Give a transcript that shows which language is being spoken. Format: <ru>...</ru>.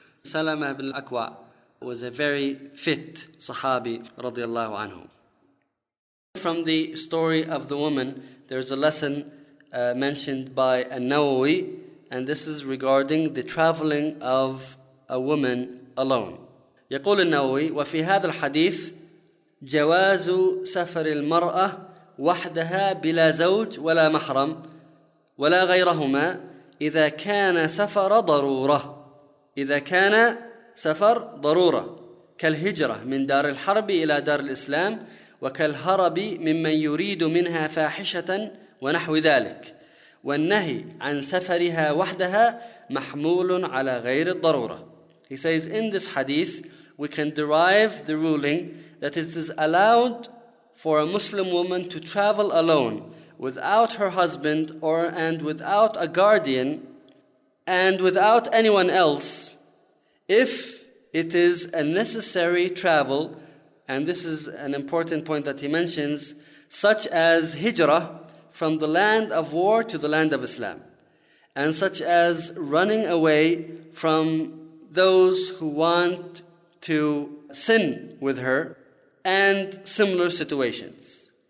<en>Salamah ibn al-Akwa was a very fit sahabi, radiallahu anhu. From the story of the woman, there's a lesson mentioned by An-Nawawi, and this is regarding the traveling of a woman alone.</en> <ar>يقول النووي: وفي هذا الحديث جواز سفر المرأة وحدها بلا زوج ولا محرم ولا غيرهما إذا كان سفر ضرورة، إذا كان سفر ضرورة كالهجرة من دار الحرب إلى دار الإسلام، وكالهرب ممن يريد منها فاحشة ونحو ذلك، والنهي عن سفرها وحدها محمول على غير الضرورة.</ar> <en>He says in this hadith we can derive the ruling that it is allowed for a Muslim woman to travel alone without her husband or and without a guardian and without anyone else if it is a necessary travel, and this is an important point that he mentions, such as hijrah from the land of war to the land of Islam, and such as running away from those who want to sin with her, and similar situations.</en>